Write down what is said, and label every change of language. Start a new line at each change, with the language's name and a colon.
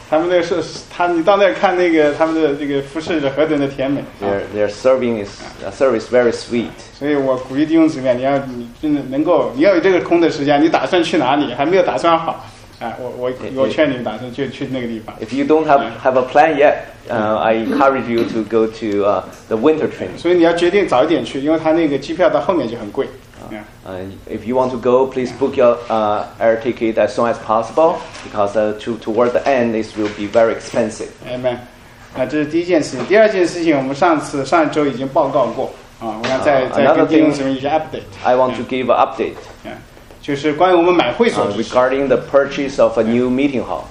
Chinese: 他们那个是，他你到那儿看那个他们的这个服饰是何等的甜美。
English: Their serving is very sweet.
Chinese: 所以我鼓励弟兄姊妹，你真的能够，你要有这个空的时间，你打算去哪里？还没有打算好。我劝你们打算去那个地方。
English: If you don't have a plan yet, I encourage you to go to the winter training.
Chinese: 所以你要决定早一点去，因为他那个机票到后面就很贵。
English: If you want to go, please book your air ticket as soon as possible, because toward the end, this will be very expensive.
Chinese: Amen. 那这是第一件事情。第二件事情，我们上周已经报告过我想再跟弟兄姊妹一些 update.
English: I want to give an update.
Chinese: Yeah. 就是关于我们买会所。
English: Regarding the purchase of a new meeting hall.